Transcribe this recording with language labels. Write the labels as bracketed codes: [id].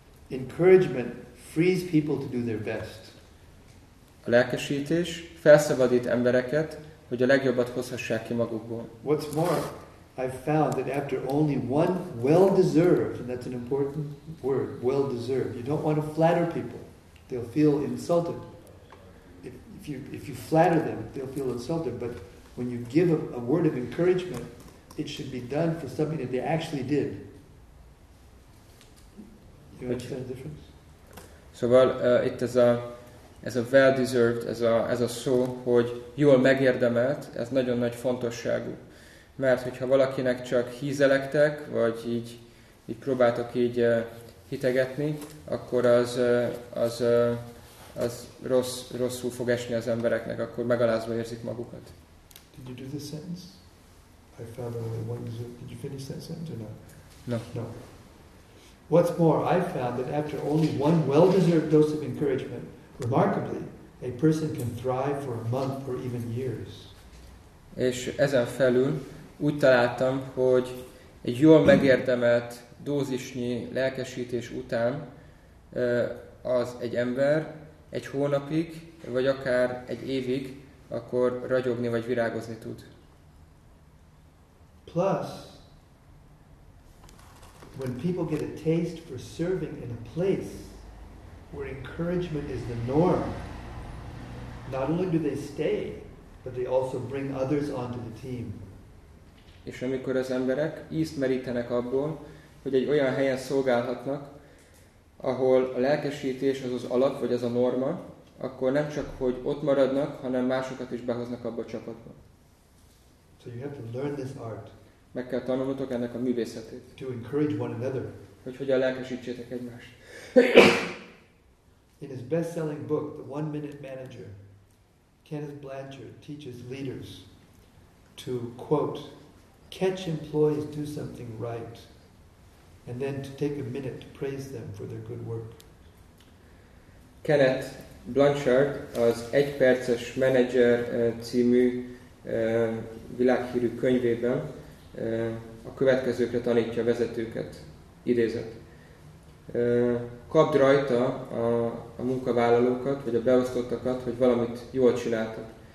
[en] Encouragement frees people to do their best. [hu] A lelkesítés felszabadít embereket, hogy a legjobbat hozhassák ki magukból. [en] What's more, I've found that after only one well-deserved, and that's an important word, well-deserved. You don't want to flatter people; they'll feel insulted. If you flatter them, they'll feel insulted. But when you give a word of encouragement, it should be done for something that they actually did. You understand the difference? [hu] Szóval itt ez a well-deserved, ez a szó, hogy jól megérdemelt, ez nagyon nagy fontosságú. Mert hogyha valakinek csak hízelektek, vagy így próbáltok így hitegetni, akkor az rosszul fog esni az embereknek, akkor megalázva érzik magukat. [en] Did you do this sentence? I found only one deserved. Did you finish that sentence or not? No. No. What's more, I found that after only one well-deserved dose of encouragement, remarkably, a person can thrive for a month or even years. [hu] És ezen felül úgy találtam, hogy egy jól megérdemelt dózisnyi lelkesítés után az egy ember egy hónapig, vagy akár egy évig, akkor ragyogni vagy virágozni tud. [en] Plus, when people get a taste for serving in a place where encouragement is the norm, not only do they stay, but they also bring others onto the team. [hu] És amikor az emberek ízt merítenek abból, hogy egy olyan helyen szolgálhatnak, ahol a lelkesítés az az alap, vagy az a norma, akkor nem csak, hogy ott maradnak, hanem másokat is behoznak abba a csapatba. [en] So you have to learn this art. [hu] Meg kell tanulnotok ennek a művészetét. [en] To encourage one another. [hu] Hogy hogyan lelkesítsétek egymást. [en] In his best-selling book, The One-Minute Manager, Kenneth Blanchard teaches leaders to, quote, catch employees do something right, and then to take a minute to praise them for their good work. [hu] Kenneth Blanchard, az Egy perces menedzser című világhírű könyvében a következőkre tanítja a vezetőket. Idézet. Kapd rajta a munkavállalókat, vagy a beosztottakat, hogy valamit jól csináltak.